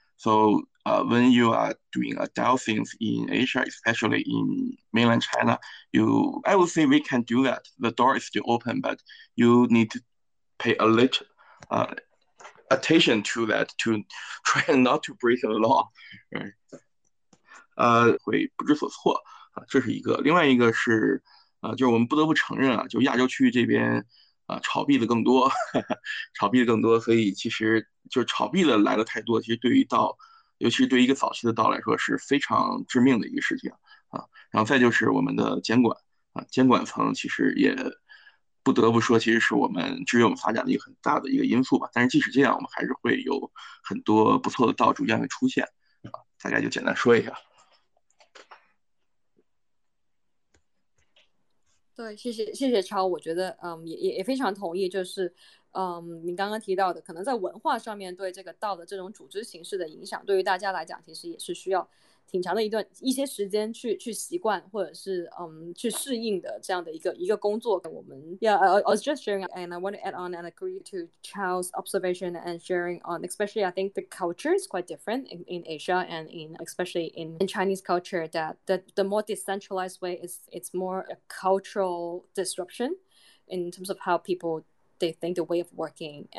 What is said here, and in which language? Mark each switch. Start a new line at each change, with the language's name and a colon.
English: So when you are doing a DAO things in Asia, especially in mainland China, I would say we can do that. The door is still open, but you need to pay a little attention to that to try not to break the law. Right?
Chinese: 会不知所措啊，这是一个。另外一个是，就是我们不得不承认啊，就亚洲区域这边，炒币的更多，炒币的更多，所以其实就是炒币的来的太多，其实对于DAO，尤其是对于一个早期的 DAO 来说是非常致命的一个事情啊。然后再就是我们的监管啊，监管层其实也不得不说，其实是我们制约我们发展的一个很大的一个因素吧。但是即使这样，我们还是会有很多不错的 DAO 逐渐会出现啊。大概就简单说一下。对，谢谢超，我觉得也非常同意，就是你刚刚提到的，可能在文化上面对这个道的这种组织形式的影响，对于大家来讲，其实也是需要挺长的一些时间去习惯或者是去适应的这样的一个工作。
English: 我们 I was just sharing and I want to add on and agree to Charles' observation and sharing on, especially I think the culture is quite different in Asia and especially in Chinese culture, that the more decentralized way is it's more a cultural disruption in terms of how people they think the way of working.